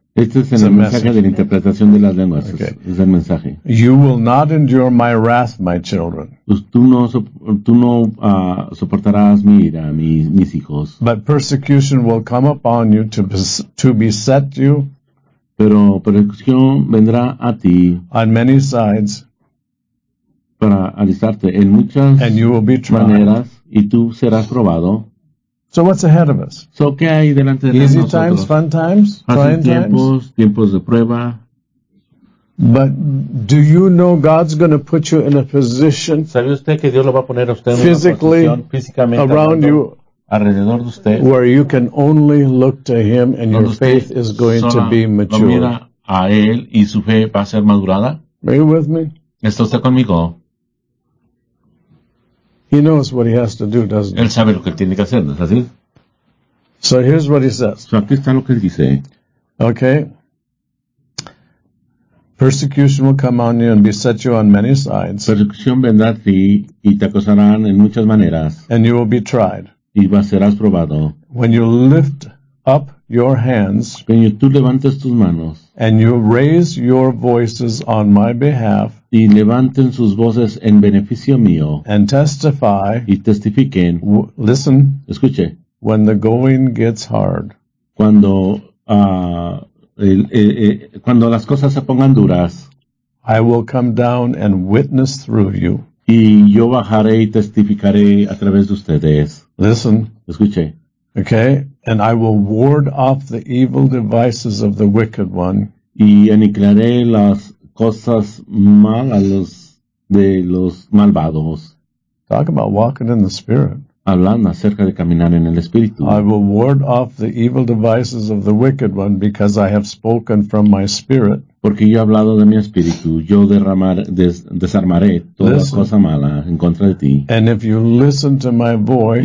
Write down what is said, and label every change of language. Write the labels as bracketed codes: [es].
[es] Este es en el mensaje de la interpretación de las lenguas. [en] Okay. [es] Es el mensaje. [en] You will not endure my wrath, my children. [es] Pues tú no soportarás mi ira, mis hijos. [en] But persecution will come upon you to beset you. [es] Pero persecución vendrá a ti. [en] On many sides. [es] Para alistarte en muchas [en] and you will be [es] maneras y tú serás probado. [en] So what's ahead of us? [es] So ¿qué hay delante de [en] easy [es] nosotros? [en] Times, fun times, trying [es] tiempos, Tiempos de prueba. [en] But do you know God's going to put you in a position physically around you [es] alrededor de usted, [en] where you can only look to him and your faith is going to be mature? [es] Mira a él y su fe va a ser madurada. [en] Are you with me? [es] ¿Está usted conmigo? [en] He knows what he has to do, doesn't he? [es] Él sabe lo que tiene que hacer, ¿no es así? [en] So here's what he says. [es] So aquí está lo que dice. [en] Okay. Persecution will come on you and beset you on many sides. [es] Persecución vendrá a ti y te acosarán en muchas maneras. [en] And you will be tried. [es] Y serás probado. [en] When you lift up your hands. [es] Cuando tú levantes tus manos. [en] And you raise your voices on my behalf. [es] Y levanten sus voces en beneficio mío. [en] And testify. [es] Y testifiquen. [en] Listen. [es] Escuche. [en] When the going gets hard. [es] Cuando cuando las cosas se pongan duras. [en] I will come down and witness through you. [es] Y yo bajaré y testificaré a través de ustedes. [en] Listen. [es] Escuche. [en] Okay. And I will ward off the evil devices of the wicked one. [es] Y aniquilaré las cosas malas de los malvados. [en] Talk about walking in the Spirit. [es] Hablando acerca de caminar en el Espíritu. [en] I will ward off the evil devices of the wicked one because I have spoken from my Spirit. [es] Porque yo he hablado de mi Espíritu. Yo desarmaré toda [en] listen. [es] Cosa mala en contra de ti. [en] And if you listen to my voice.